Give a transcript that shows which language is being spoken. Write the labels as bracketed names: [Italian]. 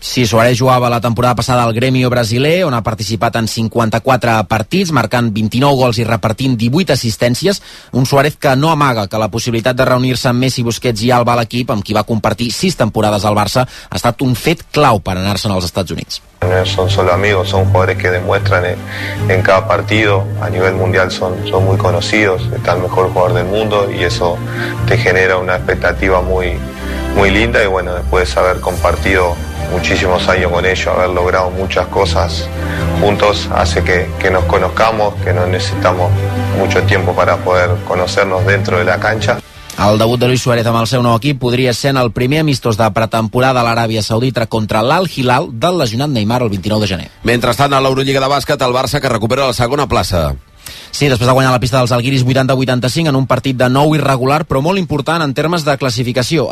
[Catalan] Sí, Suárez jugava la temporada passada al Grêmio brasiler, on ha participat en 54 partits, marcant 29 gols i repartint 18 assistències. Un Suárez que no amaga que la possibilitat de reunir-se amb Messi, Busquets i Alba a l'equip, amb qui va compartir 6 temporades al Barça, ha estat un fet clau per anar-se'n als Estats Units. [Spanish] No son solo amigos, son jugadores que demuestran en cada partido. A nivel mundial son muy conocidos, está el mejor jugador del mundo y eso te genera una expectativa muy, muy linda. Y bueno, después de haber compartido muchísimos años con ellos, haber logrado muchas cosas juntos, hace que nos conozcamos, que no necesitamos mucho tiempo para poder conocernos dentro de la cancha. [Catalan] El debut de Luis Suárez amb el seu nou equip podria ser en el primer amistós de pretemporada a l'Aràbia Saudita contra l'Al-Hilal del lesionat Neymar el 29 de gener. Mentrestant, a l'Eurolliga de bàsquet, el Barça, que recupera la segona plaça. Sí, després de guanyar la pista dels Alguiris 80-85 en un partit de nou irregular, però molt important en termes de classificació.